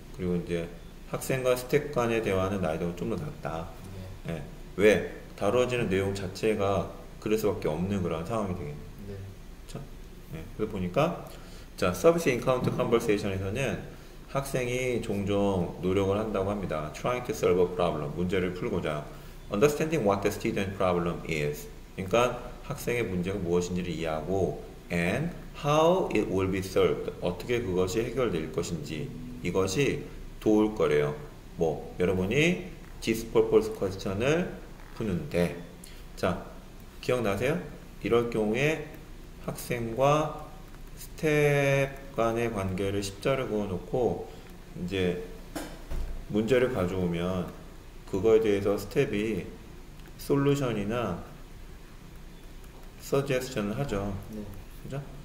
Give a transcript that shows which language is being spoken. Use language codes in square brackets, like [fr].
[ko] 그리고 이제 학생과 스태프 간의 대화는 난이도가 좀 더 낮다. 네. 네. 왜? 다루어지는 내용 자체가 그럴 수밖에 없는 그런 상황이 되겠네. 네. 그렇죠? 네. 그래서 보니까 자, 서비스 인카운트 컨버세이션에서는 학생이 종종 노력을 한다고 합니다. [en] Trying to solve a problem. [ko] 문제를 풀고자. [en] Understanding what the student problem is. [ko] 그러니까 학생의 문제가 무엇인지를 이해하고 [en] and how it will be solved. [ko] 어떻게 그것이 해결될 것인지 이것이 도울 거래요. 뭐 여러분이 [en] this purpose question [ko] 을 푸는데 자 기억나세요? 이럴 경우에 학생과 스텝 간의 관계를 십자로 그어놓고 이제 문제를 가져오면 그거에 대해서 스텝이 솔루션이나 서제스션을 하죠. 그죠?